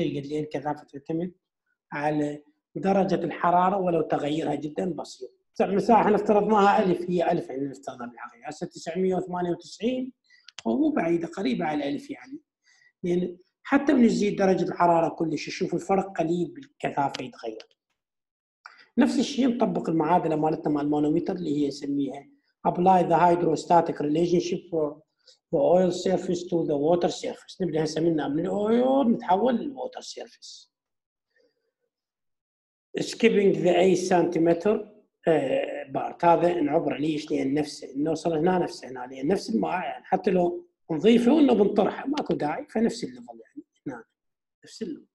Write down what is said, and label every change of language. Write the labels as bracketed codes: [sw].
[ar] يقول لي الكثافة تعتمد على درجة الحرارة ولو تغيرها جدا بسيط. مساحة افترضناها ألف، هي ألف يعني نفترضها بالحقيقة، هسه 998 ومو بعيدة، قريبة على ألف يعني. يعني حتى من يزيد درجة الحرارة كلش يشوف الفرق قليل بالكثافة يتغير. نفس الشيء نطبق المعادلة مالتنا مع المانومتر اللي هي نسميها [en] apply the hydrostatic relationship for the oil surface to the water surface. [ar] نبدأ هسه منها من الأويل نتحول للواتر سيرفيس. [en] skipping the a centimeter part، [ar] هذا نعبر ليش؟ لأن نفسه نوصل هنا نفسه هنا، لأن نفس الماء يعني حتى لو نضيفه إنه بنطرحه ماكو داعي، فنفس الليفل يعني هنا نفس الليفل.